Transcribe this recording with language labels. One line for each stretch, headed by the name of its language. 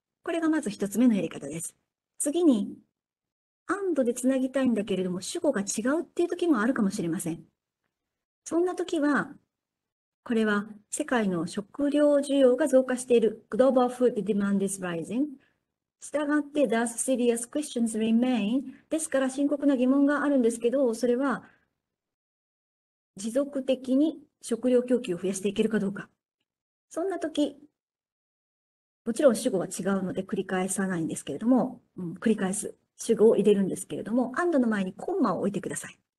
Japanese: これがまず一つ目のやり方です。次に、and でつなぎたいんだけれども、主語が違うっていう時もあるかもしれません。そんな時は、これは世界の食料需要が増加している。
English: Global food demand is rising.
Japanese: したがって、
English: thus serious questions remain。
Japanese: ですから、深刻な疑問があるんですけど、それは持続的に食料供給を増やしていけるかどうか。そんなとき、もちろん主語は違うので繰り返さないんですけれども、繰り返す主語を入れるんですけれども、and の前にコンマを置いてください。